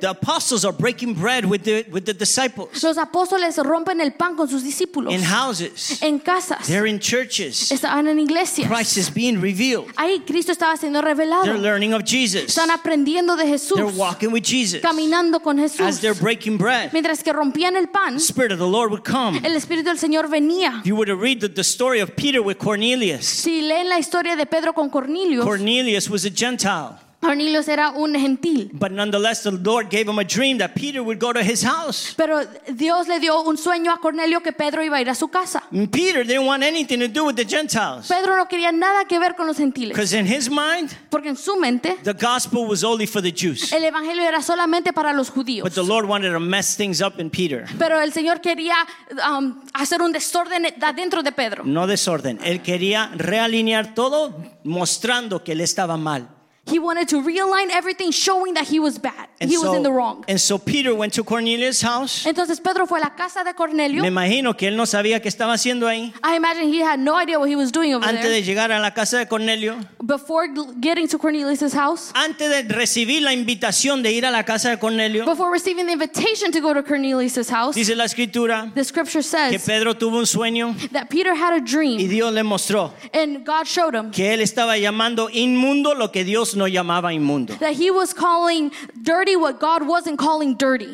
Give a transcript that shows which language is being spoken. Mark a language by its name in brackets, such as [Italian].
[English] The apostles are breaking bread with the disciples. [Spanish] Los apóstoles rompen el pan con sus discípulos. [English] In houses. [Spanish] En casas. [English] They're in churches. [Spanish] Estaban en iglesias. [English] Christ is being revealed. [Spanish] Ahí Cristo estaba siendo revelado. [English] They're learning of Jesus. [Spanish] Están aprendiendo de Jesús. [English] They're walking with Jesus. [Spanish] Caminando con Jesús. [English] As they're breaking bread. [Spanish] Mientras que rompían el pan. [English] The Spirit of the Lord would come. [Spanish] El Espíritu del Señor venía. [English] If you were to read the story of Peter with Cornelius. [Spanish] Si leen la historia de Pedro con Cornelio. [English] Cornelius was a Gentile. [Spanish] Cornelius era un gentil. [English] But nonetheless, the Lord gave him a dream that Peter would go to his house. [Spanish] Pero Dios le dio un sueño a Cornelio que Pedro iba a ir a su casa. [English] And Peter didn't want anything to do with the Gentiles. [Spanish] Pedro no quería nada que ver con los gentiles. [English] Because in his mind, [Spanish] porque en su mente, [English] the gospel was only for the Jews. [Spanish] El evangelio era solamente para los judíos. [English] But the Lord wanted to mess things up in Peter. [Spanish] Pero el Señor quería hacer un desorden dentro de Pedro. No desorden. Él quería realinear todo, mostrando que él estaba mal. [English] He wanted to realign everything, showing that he was bad. And he was in the wrong. And so Peter went to Cornelius' house. [Spanish] Entonces Pedro fue a la casa de Cornelio. Me imagino que él no sabía qué estaba haciendo ahí. [English] I imagine he had no idea what he was doing over [Spanish] antes [English] there. [Spanish] Antes de llegar a la casa de Cornelio. [English] Before getting to Cornelius' house. [Spanish] Antes de recibir la invitación de ir a la casa de Cornelio. [English] Before receiving the invitation to go to Cornelius' house. [Spanish] Dice la escritura. [English] The scripture says. [Spanish] Que Pedro tuvo un sueño. [English] That Peter had a dream. [Spanish] Y Dios le mostró. [English] And God showed him. [Spanish] Que él estaba llamando inmundo lo que Dios no llamaba inmundo. [English] That he was calling dirty what God wasn't calling dirty.